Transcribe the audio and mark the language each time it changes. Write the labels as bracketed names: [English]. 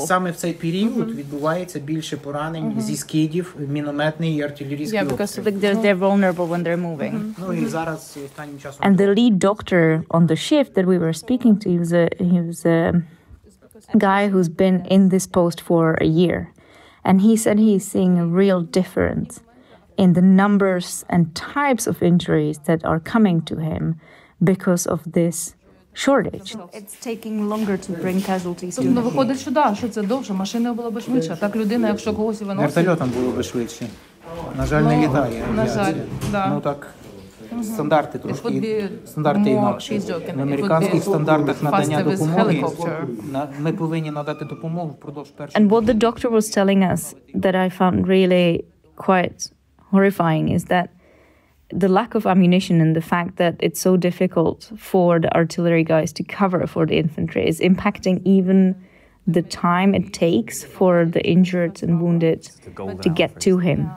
[Ukrainian] Саме в цей період відбувається більше поранень зі скидів, мінометний і артилерійський обстріл. [English] Yeah, because they're vulnerable when they're moving. Mm-hmm. And the lead doctor on the shift that we were speaking to, he was a guy who's been in this post for a year. And he said he's seeing a real difference in the numbers and types of injuries that are coming to him because of this shortage. It's taking longer to bring casualties to him. [Ukrainian] Ну, виходить, що да, що це довше, машина була б швидша. Так, людина, якщо когось виносить... Вертольотом було б швидше. На жаль, не літає. На жаль, да. Ну, так... Стандарти трошки, стандарти інакші. В американських стандартах надання допомоги, ми повинні надати допомогу впродовж першого. [English] And what the doctor was telling us that I found really quite horrifying is that the lack of ammunition and the fact that it's so difficult for the artillery guys to cover for the infantry is impacting even the time it takes for the injured and wounded to get to him.